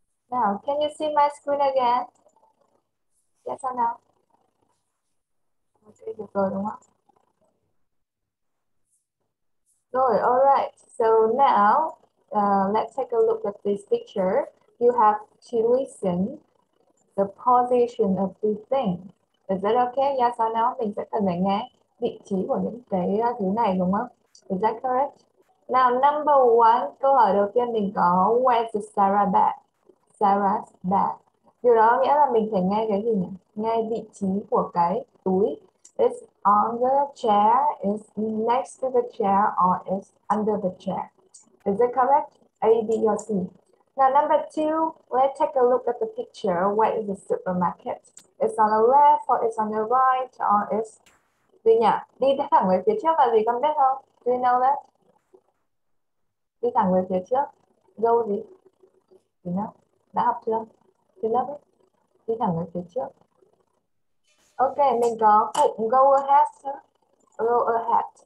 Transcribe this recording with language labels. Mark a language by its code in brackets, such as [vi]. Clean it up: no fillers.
[en] Now, can you see my screen again? Yes or no? [vi] Okay, được rồi đúng không? [en] Rồi, all right. So now, let's take a look at this picture. You have to listen the position of the thing. Is that okay? Yes or no? [vi] Mình sẽ cần phải nghe vị trí của những cái thứ này đúng không? [en] Is that correct? Now, number one, [vi] câu hỏi đầu tiên mình có [en] Where's Sarah back? Sarah's bag. [vi] Điều đó nghĩa là mình phải nghe cái gì nhỉ? Nghe vị trí của cái túi. [en] It's on the chair, it's next to the chair, or it's under the chair. Is it correct? A, B, or C? Now, number two, let's take a look at the picture. Where is the supermarket? It's on the left, or it's on the right, or it's... [vi] Gì nhỉ? Đi thẳng về phía trước là gì con biết không? [en] Do you know that? [vi] Đi thẳng về phía trước. Go gì? [en] You know? [vi] Đã học chưa? Thì lớp ấy. Đi thẳng về phía trước. Ok, mình có cụm go ahead. Go ahead.